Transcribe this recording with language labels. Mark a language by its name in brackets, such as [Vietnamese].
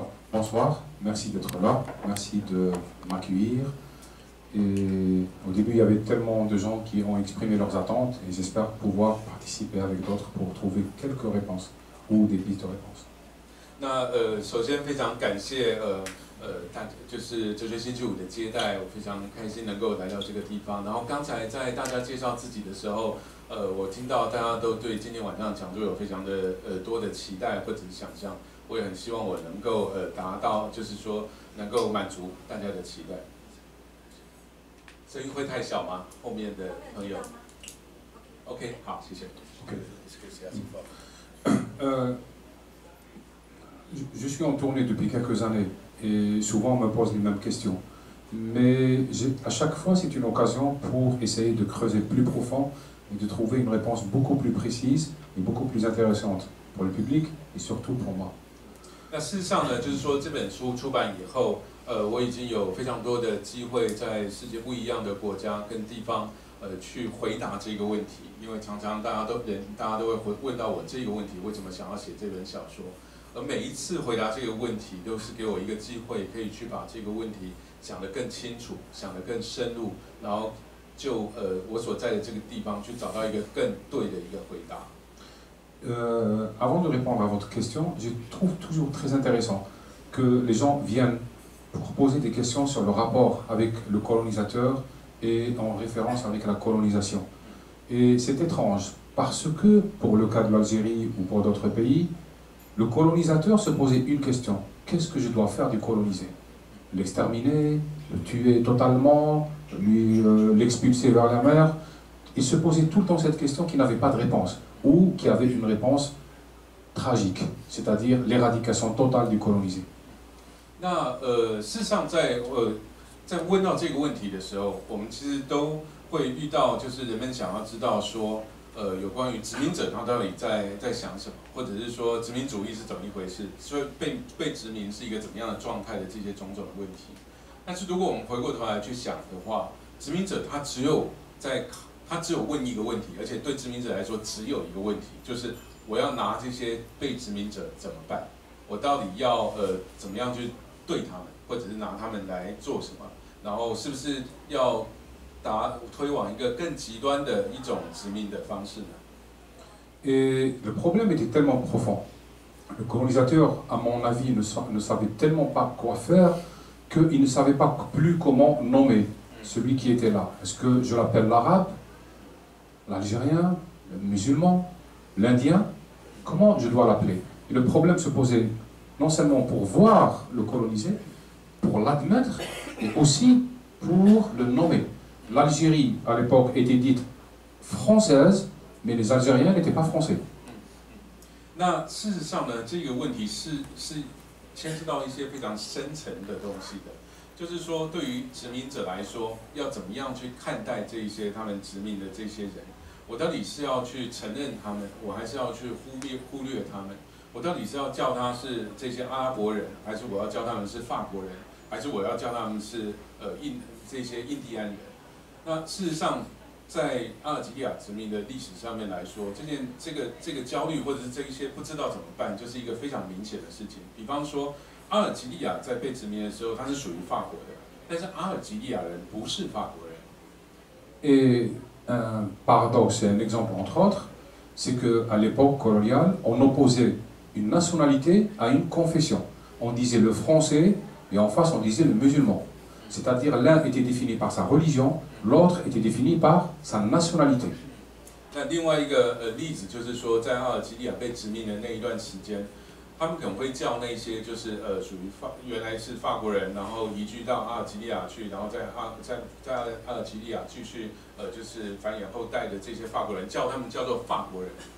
[French] Bonsoir, merci d'être là, merci de m'accueillir. Et au début, il y avait tellement de gens qui ont exprimé leurs attentes et j'espère pouvoir participer avec d'autres pour trouver quelques réponses ou des pistes de réponses. [Chinese] 那首先非常感谢大就是哲学星期五的接待，我非常开心能够来到这个地方。然后刚才在大家介绍自己的时候，我听到大家都对今天晚上讲座有非常的多的期待或者是想象。我也很希望我能够达到，就是说能够满足大家的期待。声音会太小吗？后面的朋友 ？OK， 好，谢谢。 [French] OK， je suis en tournée depuis quelques années et souvent on me pose les mêmes questions. Mais à chaque fois c'est une occasion pour essayer de creuser plus profond et de trouver une réponse beaucoup plus précise est beaucoup plus intéressante pour le public et surtout pour moi. [Chinese] 那事实上呢，就是说这本书出版以后，我已经有非常多的机会在世界不一样的国家跟地方，去回答这个问题，因为常常大家都会问到我这个问题，为什么想要写这本小说？而每一次回答这个问题，都是给我一个机会，可以去把这个问题想得更清楚，想得更深入，然后就我所在的这个地方去找到一个更对的一个回答。 [French] Avant de répondre à votre question, je trouve toujours très intéressant que les gens viennent pour poser des questions sur le rapport avec le colonisateur et en référence avec la colonisation. Et c'est étrange parce que pour le cas de l'Algérie ou pour d'autres pays, le colonisateur se posait une question. Qu'est-ce que je dois faire du colonisé ? L'exterminer, le tuer totalement, l'expulser vers la mer ? Il se posait tout le temps cette question qui n'avait pas de réponse. Ou qui avait une réponse tragique, c'est-à-dire l'éradication totale du colonisé. [Chinese] 那事实上在问到这个问题的时候，我们其实都会遇到，就是人们想要知道说，有关于殖民者他到底在想什么，或者是说殖民主义是怎么一回事，所以被殖民是一个怎么样的状态的这些种种的问题。但是如果我们回过头来去想的话，殖民者他只有在他只有问一个问题，而且对殖民者来说只有一个问题，就是我要拿这些被殖民者怎么办？我到底要怎么样去对他们，或者是拿他们来做什么？然后是不是要推往一个更极端的一种殖民的方式呢 [French] ？Et le problème était tellement profond. Le colonisateur, à mon avis, ne savait tellement pas quoi faire qu'il ne savait pas plus comment nommer celui qui était là. Est-ce que je l'appelle l'arabe? L'Algérien, le musulman, l'Indien, comment je dois l'appeler? Et le problème se posait non seulement pour voir le colonisé, pour l'admettre, mais aussi pour le nommer. L'Algérie, à l'époque, était dite française, mais les Algériens n'étaient pas français. [Chinese] 那事实上呢，这个问题是牵涉到一些非常深层的东西的，就是说，对于殖民者来说，要怎么样去看待这些他们殖民的这些人？我到底是要去承认他们，我还是要去忽略他们？我到底是要叫他是这些阿拉伯人，还是我要叫他们是法国人，还是我要叫他们是这些印第安人？那事实上，在阿尔及利亚殖民的历史上面来说，这个焦虑或者是这些不知道怎么办，就是一个非常明显的事情。比方说，阿尔及利亚在被殖民的时候，它是属于法国的，但是阿尔及利亚人不是法国人。 [French] Un paradoxe et un exemple entre autres, c'est qu'à l'époque coloniale, on opposait une nationalité à une confession. On disait le français et en face on disait le musulman. C'est-à-dire l'un était défini par sa religion, l'autre était défini par sa nationalité. [Chinese] 那另外一个例子就是说，在阿尔及利亚被殖民的那一段时间，他们可能会叫那些就是属于原来是法国人，然后移居到阿尔及利亚去，然后在阿尔及利亚继续就是繁衍后代的这些法国人，叫他们叫做法国人。